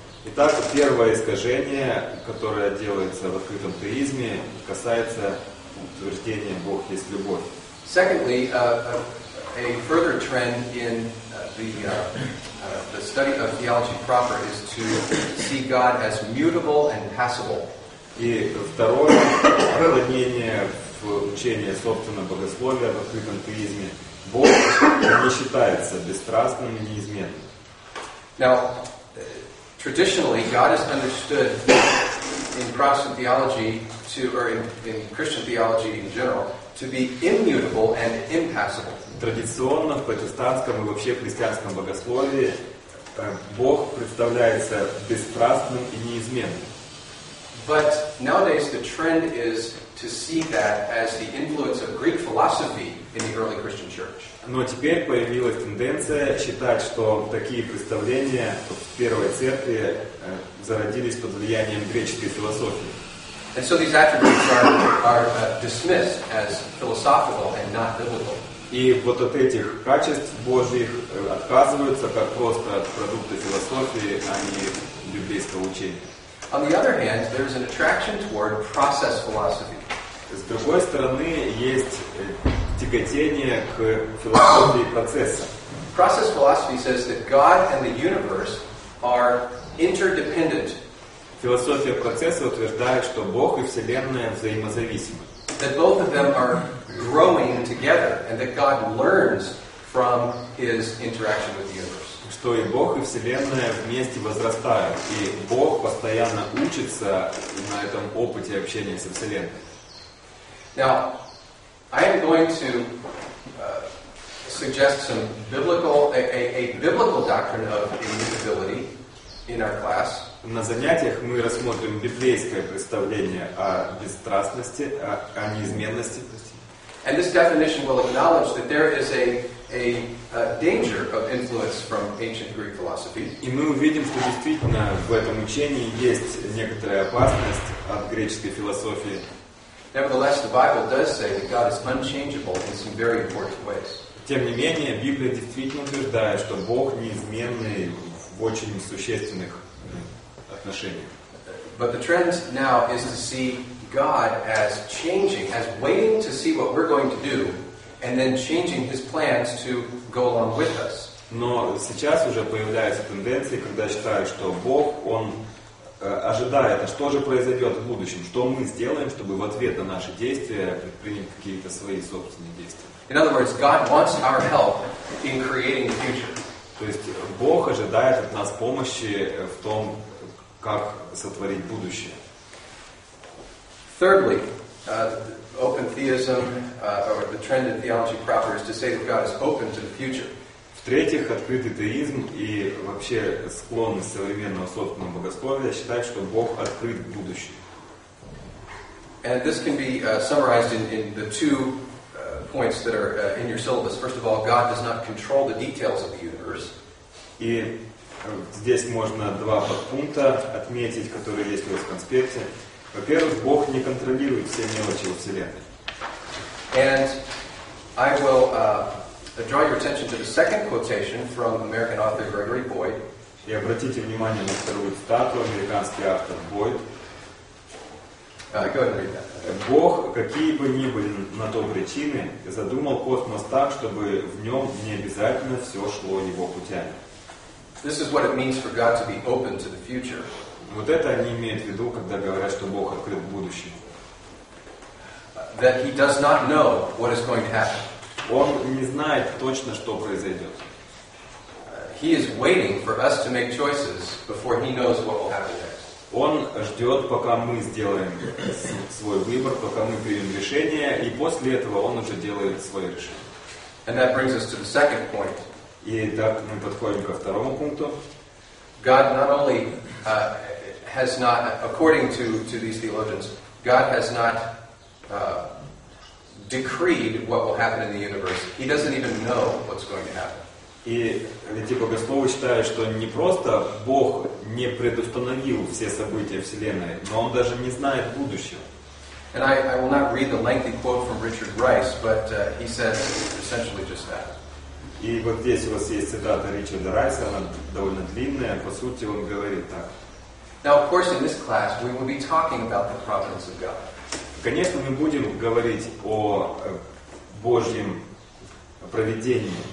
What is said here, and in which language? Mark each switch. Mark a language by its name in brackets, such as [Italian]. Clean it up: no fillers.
[Russian] Итак, первое искажение, которое делается в открытом теизме, касается утверждения «Бог есть любовь». [English] Secondly, a further trend in the study of theology proper is to see God as mutable and passible. [Russian] И второе уравнение в учении собственного богословия в открытом теизме: Бог не считается бесстрастным и неизменным. [English] Now, traditionally, God is understood in Protestant theology or in Christian theology in general to be immutable and impassible. [Russian] Традиционно в протестантском и вообще христианском богословии Бог представляется бесстрастным и неизменным. [English] But nowadays the trend is to see that as the influence of Greek philosophy in the early Christian church. [Russian] Но теперь появилась тенденция считать, что такие представления в первой церкви зародились под влиянием греческой философии. [English] And so these attributes are dismissed as philosophical and not biblical. [Russian] И вот от этих качеств Божьих отказываются как просто от продукта философии, а не библейского учения. [English] On the other hand, there is an attraction toward process philosophy. [Russian] С другой стороны, есть тяготение к философии процесса. [English] Process philosophy says that God and the universe are interdependent. [Russian] Философия процесса утверждает, что Бог и Вселенная взаимозависимы. [English] That both of them are growing together, and that God learns from His interaction with the universe. [Russian] Что и Бог, и Вселенная вместе возрастают, и Бог постоянно учится на этом опыте общения со Вселенной. [English] Now, I am going to suggest some biblical, a biblical doctrine of immutability in our class. [Russian] На занятиях мы рассмотрим библейское представление о бесстрастности, о неизменности. [English] And this definition will acknowledge that there is a danger of influence from ancient Greek philosophy. [Russian] И мы увидим, что действительно в этом учении есть некоторая опасность от греческой философии. [English] Nevertheless, the Bible does say that God is unchangeable in some very important ways. [Russian] Тем не менее, Библия действительно утверждает, что Бог неизменный в очень существенных отношениях. [English] But the trend now is to see God as changing, as waiting to see what we're going to do, and then changing His plans to go along with us. [Russian] Но сейчас уже появляется тенденция, когда считают, что Бог, Он ожидает, а что же произойдет в будущем, что мы сделаем, чтобы в ответ на наши действия предпринять какие-то свои собственные действия. [English] In other words, God wants our help in creating the future. [Russian] То есть Бог ожидает от нас помощи в том, как сотворить будущее. [English] Thirdly, open theism, or the trend in theology proper, is to say that God is open to the future. [Russian] В-третьих, открытый теизм и вообще склонность современного собственного богословия считает, что Бог открыт к будущему. [English] And this can be summarized in the two points that are in your syllabus. First of all, God does not control the details of the universe. [Russian] И здесь можно два подпункта отметить, которые есть у вас в конспекте. Во-первых, Бог не контролирует все мелочи во Вселенной. [English] And I will draw your attention to the second quotation from American author Gregory Boyd. [Russian] И обратите внимание на вторую цитату, американский автор Бойд. [English] Go ahead and read that. [Russian] Бог, какие бы ни были на то причины, задумал космос так, чтобы в нем не обязательно все шло его путями. [English] This is what it means for God to be open to the future. [Russian] Вот это они имеют в виду, когда говорят, что Бог открыл будущее. [English] That He does not know what is going to happen. [Russian] Он не знает точно, что произойдет. [English] He is waiting for us to make choices before He knows what will happen next. [Russian] Он ждет, пока мы сделаем свой выбор, пока мы примем решение, и после этого Он уже делает свое решение. [English] And that brings us to the second point. [Russian] И так мы подходим ко второму пункту. [English] God not only has not, according to these theologians, God has not decreed what will happen in the universe. He doesn't even know what's going to happen. [Russian] И эти богословы считают, что не просто Бог не предустановил все события Вселенной, но Он даже не знает будущего. [English] And I will not read the lengthy quote from Richard Rice, but he says essentially just that. [Russian] И вот здесь у вас есть цитата Ричарда Райса, она довольно длинная, по сути он говорит так. [English] Now, of course, in this class, we will be talking about the providence of God. [Russian] Конечно, мы будем говорить о Божьем провидении.